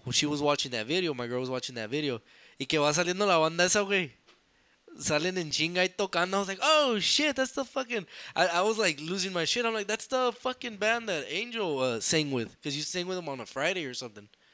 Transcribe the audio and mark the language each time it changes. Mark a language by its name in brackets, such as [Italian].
[English] Well, she was watching that video, my girl was watching that video. [Spanish] Y que va saliendo la banda esa güey. Salen en chinga y tocando. [English] I was like, oh shit, that's the fucking I was like losing my shit. I'm like, that's the fucking band that Angel sang with. Because you sang with him on a Friday or something.